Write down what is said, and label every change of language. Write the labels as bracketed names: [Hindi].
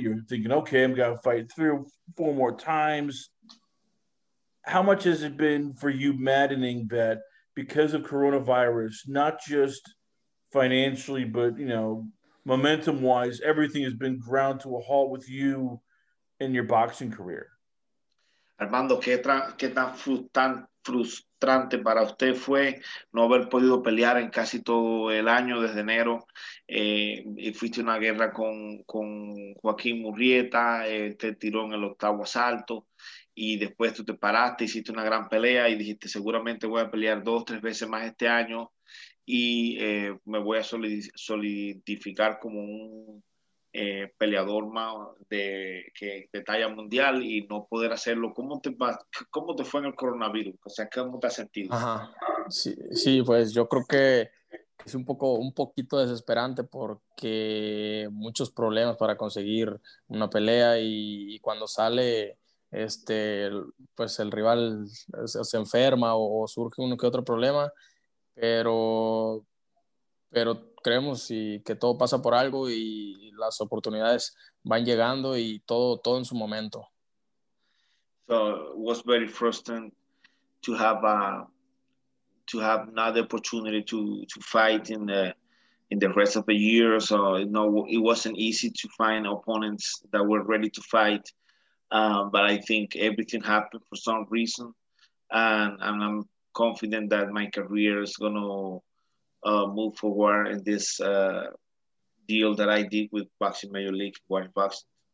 [English] You're thinking, okay, I'm going to fight three or four more times. How much has it been for you maddening that because of coronavirus, not just financially, but, you know, momentum-wise, everything has been ground to a halt with you in your boxing career? [Spanish] Armando, qué tan frustrante para usted fue no haber podido pelear en casi todo el año desde enero. Fuiste una guerra con Joaquín Murrieta, te tiró en el octavo asalto y después tú te paraste, hiciste una gran pelea y dijiste seguramente voy a pelear dos, tres veces más este año y me voy a solidificar como un peleador más de talla mundial y no poder hacerlo. ¿Cómo te fue en el coronavirus? O sea, ¿cómo te has sentido? Ajá. Sí, pues yo creo que es un poquito desesperante porque muchos problemas para conseguir una pelea y cuando sale pues el rival se enferma o surge uno que otro problema, pero creemos y que todo pasa por algo y las oportunidades van llegando y todo en su momento. [English] So it was very frustrating to have not the opportunity to fight in the rest of the year. So no, it wasn't easy to find opponents that were ready to fight. But I think everything happened for some reason, and I'm confident that my career is gonna move forward in this deal that I did with Boxing Major League White Box.